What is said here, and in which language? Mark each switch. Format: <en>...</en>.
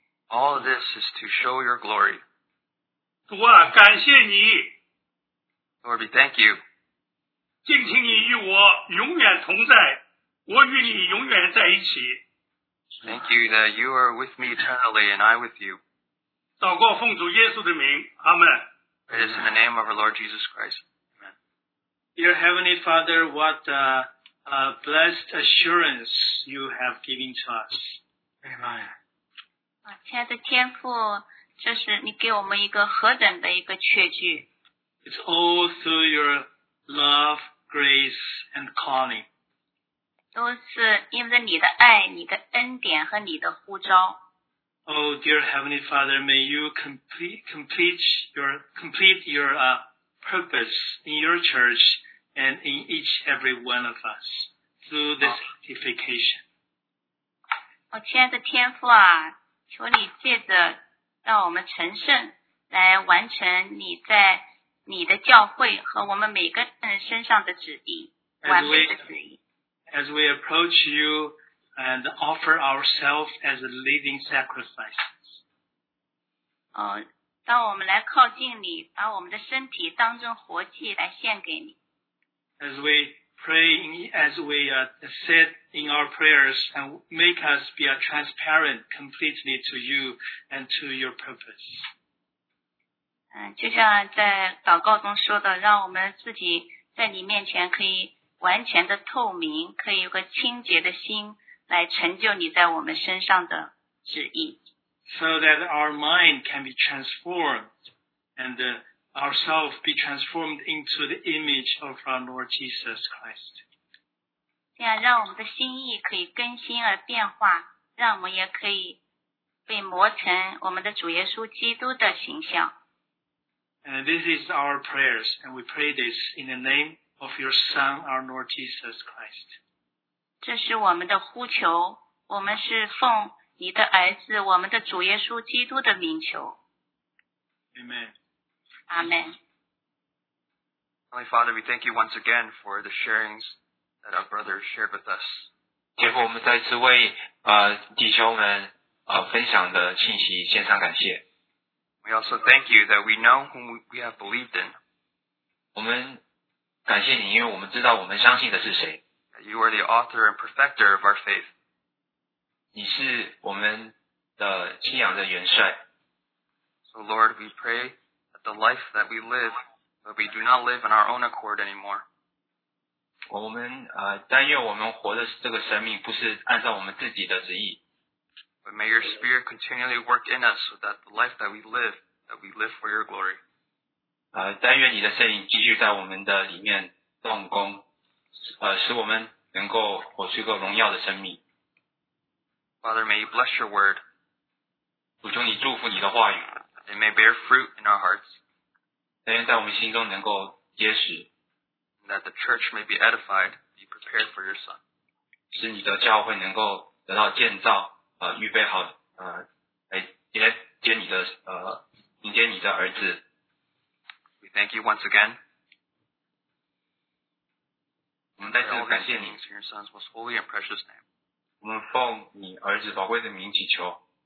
<en>All of this is to show your glory.</en> <zh>主啊，感谢你。</zh> <en>Lord, we thank you.</en> <zh>敬请你与我永远同在，我与你永远在一起。</zh> <en>Thank you that you are with me eternally and I with you.</en> <zh>祷告奉主耶稣的名，阿们。</zh> <en>It is in the name of our Lord Jesus Christ. Amen. Dear Heavenly Father, what a blessed assurance you have given to us. Amen.</en> <zh>亲爱的天父，这是你给我们一个何等的一个确据。</zh> <en>It's all through your love, grace, and calling.</en> <zh>都是因为你的爱、你的恩典和你的呼召。</zh> <en>Oh, dear Heavenly Father, may you complete your purpose in your church and in each every one of us through this edification.</en> <zh>我亲爱的天父啊，求你借着让我们成圣，来完成你在你的教会和我们每个人身上的旨意，完美的旨意。</zh> <en>As we approach you. And offer ourselves as a living sacrifice.</en> <zh>当我们来靠近你，把我们的身体当成活祭来献给你。</zh> <en>As we said in our prayers, and make us be transparent completely to you and to your purpose.</en> <zh>就像在祷告中说的，让我们自己在你面前可以完全的透明，可以有个清洁的心。来成就你在我们身上的旨意。</zh> <en>So that our mind can be transformed and ourselves be transformed into the image of our Lord Jesus Christ.</en> <zh>这样让我们的心意可以更新而变化，让我们也可以被磨成我们的主耶稣基督的形象。</zh> <en>And this is our prayers, and we pray this in the name of your Son, our Lord Jesus Christ.</en> <zh>这是我们的呼求，我们是奉你的儿子，我们的主耶稣基督的名求。</zh> <en>Amen. Amen. Heavenly Father, we thank you once again for the sharings that our brother shared with us.</en> <zh>天父，我们再次为弟兄们分享的信息献上感谢。</zh> <en>We also thank you that we know whom we have believed in.</en> <zh>我们感谢你，因为我们知道我们相信的是谁。</zh> <en>You are the author and perfecter of our faith.</en> <zh>你是我们的信仰的元帅。</zh> <en>So Lord, we pray that the life that we live, that we do not live in our own accord anymore.</en> <zh>我们但愿我们活的这个生命不是按照我们自己的旨意。</zh> <en>But may your spirit continually work in us so that the life that we live, that we live for your glory.</en> <zh>但愿你的圣灵继续在我们的里面动工。使我们能够活出一个荣耀的生命。</zh> <en>Father, may you bless your word.</en> <zh>主求你祝福你的话语。</zh> <en>It may bear fruit in our hearts.</en> <zh>但愿在我们心中能够结实。</zh> <en>That the church may be edified, be prepared for your son.</en> <zh>使你的教会能够得到建造，预备好，来接你的，迎接你的儿子。</zh> <en>We thank you once again.</en> <zh>我们再次感谢你。</zh> <en>In your son's most holy and precious name.</en> <zh>我们奉你儿子宝贵的名祈求。</zh>